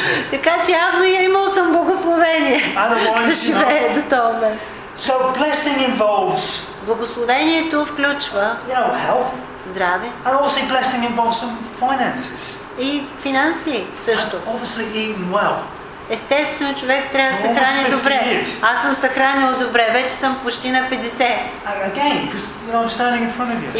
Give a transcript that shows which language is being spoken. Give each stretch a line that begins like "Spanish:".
Bulgarian: Така че явно я имал съм благословение да живее до този момент.
English: So blessing involves.
Bulgarian: Благословението включва здраве.
English: And also blessing involves some finances.
Bulgarian: И финанси също.
English: Obviously eating well.
Bulgarian: Естествено, човек трябва да се храни добре. Аз съм се хранила добре, вече съм почти на 50.
English: Again, because you know, I'm standing in front of you.